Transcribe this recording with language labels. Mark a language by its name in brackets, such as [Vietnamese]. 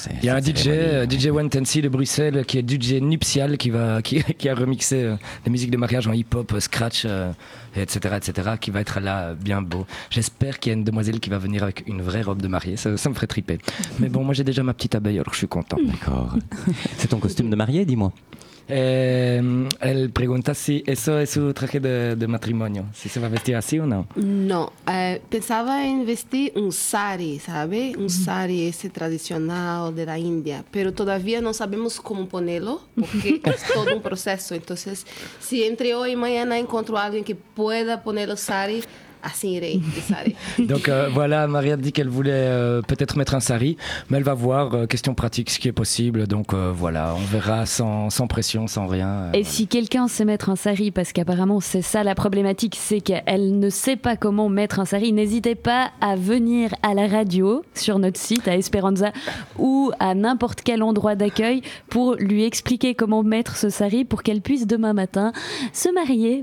[French] Il y a un DJ, DJ Wentensi de Bruxelles, qui est DJ nuptial, qui a remixé les musiques de mariage en hip-hop, scratch, etc., etc., qui va être là bien beau. J'espère qu'il y a une demoiselle qui va venir avec une vraie robe de mariée, ça me ferait triper. Mais bon, moi j'ai déjà ma petite abeille, alors je suis content. D'accord. C'est ton costume de mariée, dis-moi. [Spanish] Elle pregunta si eso es su traje de matrimonio, si se va a vestir así o no. No, pensaba en vestir un sari, ¿sabe? Un sari ese tradicional de la India, pero todavía no sabemos cómo ponerlo, porque es todo un proceso. Entonces, si entre hoy y mañana encuentro a alguien que pueda poner el sari, así iré. [French] Donc voilà, Maria dit qu'elle voulait peut-être mettre un sari, mais elle va voir, question pratique, ce qui est possible. Donc voilà, on verra sans pression, sans rien. Et si quelqu'un sait mettre un sari, parce qu'apparemment c'est ça la problématique, c'est qu'elle ne sait pas comment mettre un sari, n'hésitez pas à venir à la radio sur notre site, à Esperanza, ou à n'importe quel endroit d'accueil pour lui expliquer comment mettre ce sari pour qu'elle puisse demain matin se marier.